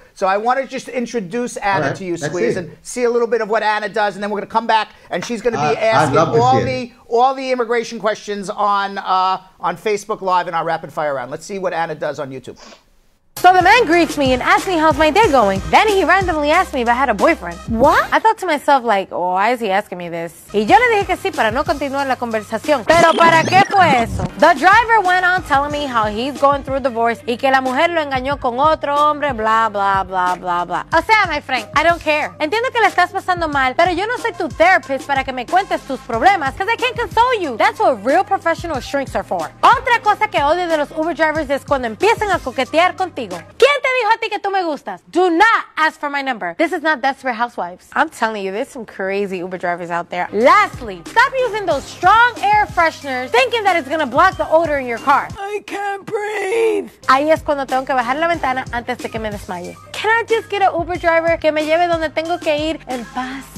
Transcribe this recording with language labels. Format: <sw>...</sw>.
<en>So I want to just introduce Anna to you, Squeeze, and see a little bit of what Anna does, and then we're going to come back, and she's going to be asking all the immigration questions on Facebook Live in our rapid fire round. Let's see what Anna does on YouTube. So the man greets me and asks me how's my day going. Then he randomly asked me if I had a boyfriend. What? I thought to myself, like, oh, why is he asking me this?</en> <es>Y yo le dije que sí para no continuar la conversación. Pero para qué fue eso?</es> <en>The driver went on telling me how he's going through a divorce</en> <es>y que la mujer lo engañó con otro hombre,</es> <en>blah, blah, blah, blah, blah.</en> <es>O sea,</es> <en>my friend, I don't care.</en> <es>Entiendo que le estás pasando mal, pero yo no soy tu therapist para que me cuentes tus problemas</es> <en>because I can't console you. That's what real professional shrinks are for.</en> <es>Otra cosa que odio de los Uber drivers es cuando empiezan a coquetear contigo. ¿Quién te dijo a ti que tú me gustas?</es> <en>Do not ask for my number. This is not Desperate Housewives. I'm telling you, there's some crazy Uber drivers out there. Lastly, stop using those strong air fresheners thinking that it's going to block the odor in your car. I can't breathe.</en> <es>Ahí es cuando tengo que bajar la ventana antes de que me desmaye.</es> <en>Can I just get an Uber driver</en> <es>que me lleve donde tengo que ir en paz?</es>